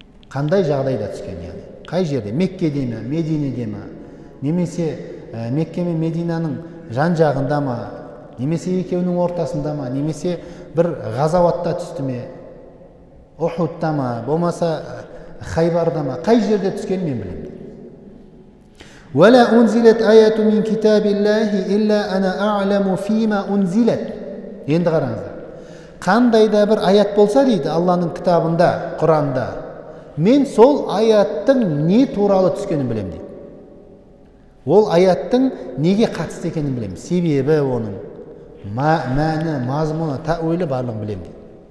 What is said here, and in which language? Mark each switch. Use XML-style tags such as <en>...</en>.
<kk>Қандай жағдайда түскен, яғни қай жерде, Меккеде ме, Мединеде ме, немесе Мекке мен Мединаның жан жағында ма, немесе екеуінің ортасында ма, немесе бір ғазауатта түсті ме, Ухудта ма, болмаса Хайбарда ма, қай жерде түскенін мен білемін.</kk> <ar>ولا أنزلت آية من كتاب الله إلا أنا أعلم فيما أنزلت.</ar> <kk>енді қараңыздар. Қандай да бір аят болса дейді Алланың кітабында, Құранда. Мен сол аяттың не туралы түскенін білемін дейді. Ол аяттың неге қатысты екенін білемін. Себебі оның мәні, мазмұны, тәуілі барлығын білемін дейді.</kk>